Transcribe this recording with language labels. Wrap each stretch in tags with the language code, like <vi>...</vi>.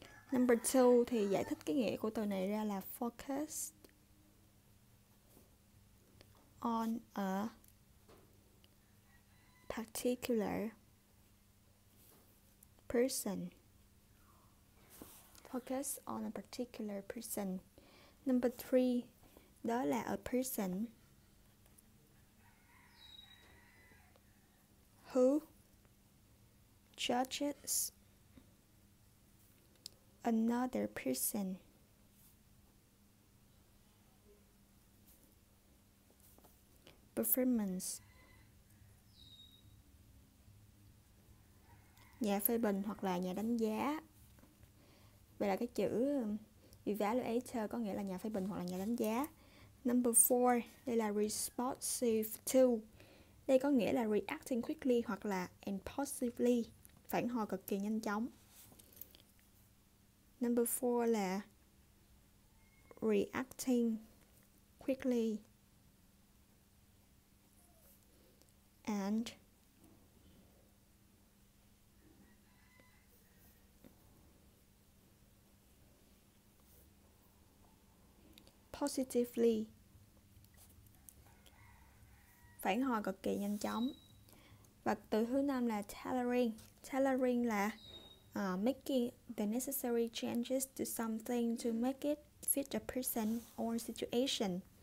<en>Number 2</en> <vi>thì giải thích cái nghĩa của từ này ra là</vi> <en>focused on a particular person. Focus on a particular person. Number 3,</en> <vi>đó là</vi> <en>a person who judges another person performance.</en> <vi>Nhà phê bình hoặc là nhà đánh giá. Vậy là cái chữ evaluator có nghĩa là nhà phê bình hoặc là nhà đánh giá.</vi> <en>Number 4,</en> <vi>đây là responsive to. Đây có nghĩa là</vi> <en>reacting quickly</en> <vi>hoặc là impulsively, phản hồi cực kỳ nhanh chóng.</vi> <en>Number 4</en> <vi>là</vi> <en>reacting quickly and positively,</en> <vi>phản hồi cực kỳ nhanh chóng. Và từ thứ năm là tailoring.</vi> <en>Tailoring là making the necessary changes to something to make it fit the person or situation.</en>